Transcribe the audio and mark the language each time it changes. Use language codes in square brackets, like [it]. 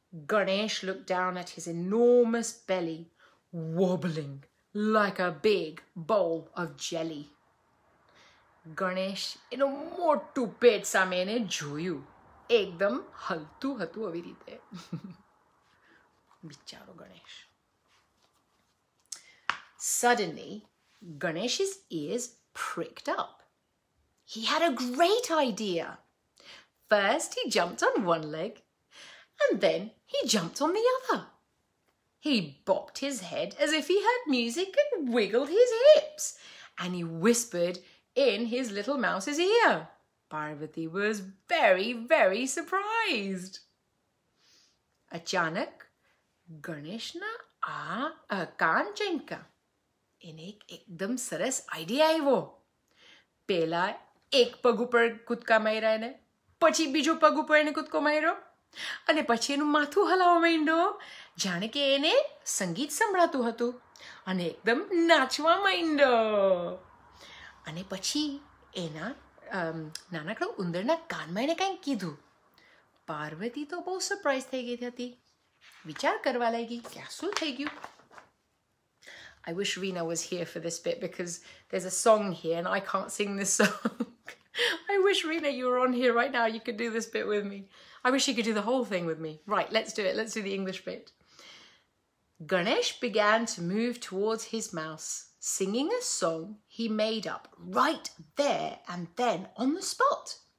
[en] Ganesh look down at his enormous belly wobbling like a big ball of jelly. [gu] Ganesh એનું મોટું પેટ સામે એને જોયું, એકદમ હલતું હતું આવી રીતે. Bicharo Ganesh. [en] Suddenly, Ganesh's ears pricked up. He had a great idea. First, he jumped on one leg, and then he jumped on the other. He bopped his head as if he heard music and wiggled his hips, and he whispered in his little mouse's ear. Parvati was very, very surprised. [gu] Achanak, ગણેશના આ કાન ચંકા એને એકદમ સરસ idea આવ્યો. પહેલા એક પગ ઉપર કૂદકા માર્યા એને, પછી બીજો પગ ઉપર એને કૂદકો માર્યો, અને પછી એનું માથું હલાવવા માંડ્યો જાણે કે એને સંગીત સંભળાતું હતું, અને એકદમ નાચવા માંડ્યો. અને પછી એના નાનકડા ઉંદરના કાનમાં એને કંઈક કીધું. પાર્વતી તો બહુ સરપ્રાઈઝ થઈ ગઈ હતી, વિચાર કરવા લાગી કે શું થઈ ગયું. [en] I wish Reena was here for this bit because there's a song here and I can't sing this song. I wish Reena you were on here right now, you could do this bit with me. I wish you could do the whole thing with me. Right, let's do it. Let's do the English bit. Ganesh began to move towards his mouse, singing a song he made up right there and then on the spot.